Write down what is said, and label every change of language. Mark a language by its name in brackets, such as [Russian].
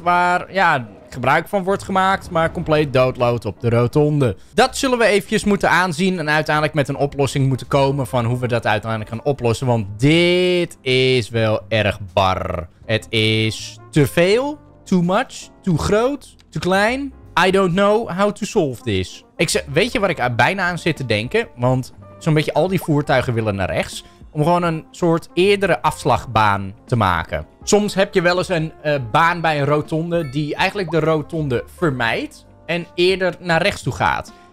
[Dutch] Waar ja, gebruik van wordt gemaakt, maar compleet doodlood op de rotonde. Dat zullen we eventjes moeten aanzien en uiteindelijk met een oplossing moeten komen van hoe we dat uiteindelijk gaan oplossen. Want dit is wel erg bar. Het is te veel, [English] too much, too [Dutch] groot, te klein. [English] I don't know how to solve this. [Dutch] Weet je waar ik bijna aan zit te denken? Want zo'n beetje al die voertuigen willen naar rechts. Om gewoon een soort eerdere afslagbaan te maken. Soms heb je wel eens een baan bij een rotonde die eigenlijk de rotonde vermijdt en eerder naar rechts toe gaat.